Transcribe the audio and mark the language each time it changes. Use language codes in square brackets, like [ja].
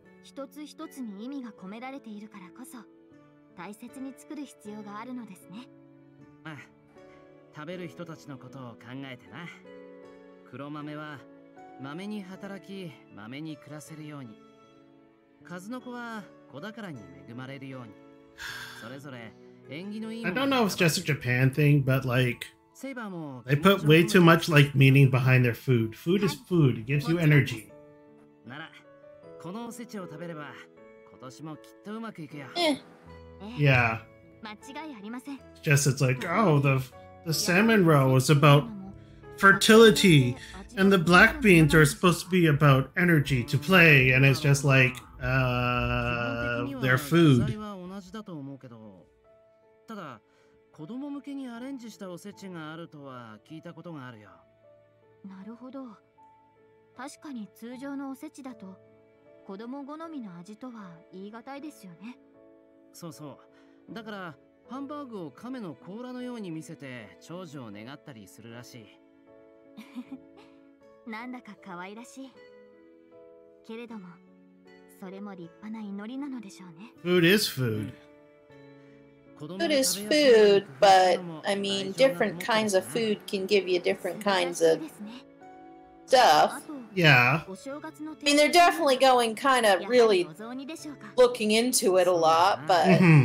[ja] 一つ一つに意味が込められているからこそ、大切に作る必要があるのですね。まあ、食べる人たちのことを考えてな。黒豆は豆に働き、豆に暮らせるように。数の子は子宝に恵まれるように。それぞれ縁起のいい。 [en] I don't know if it's just a Japan thing, but like they put way too much like meaning behind their food. Food is food. It gives you energy. [ja] なら、このおせちを食べれば今年もきっとうまくいくよ。 [en] Yeah. [ja] 間違いありません。 [en] Just it's like, oh, the salmon roe is about fertility, and the black beans are supposed to be about energy to play, and it's just like, their food. [ja] 材は同じだと思うけど、ただ子供向けにアレンジしたおせちがあるとは聞いたことがあるよ。なるほど。確かに通常のおせちだと子供好みの味とは言い難いですよね。そうそう。だからハンバーグを亀の甲羅のように見せて長寿を願ったりするらしい。なんだか可愛らしい。けれどもそれも立派な祈りなのでしょうね。 [en] Food is food. Food is food, but I mean different kinds of food can give you different kinds of stuff. Yeah. I mean, they're definitely going kind of really looking into it a lot, but.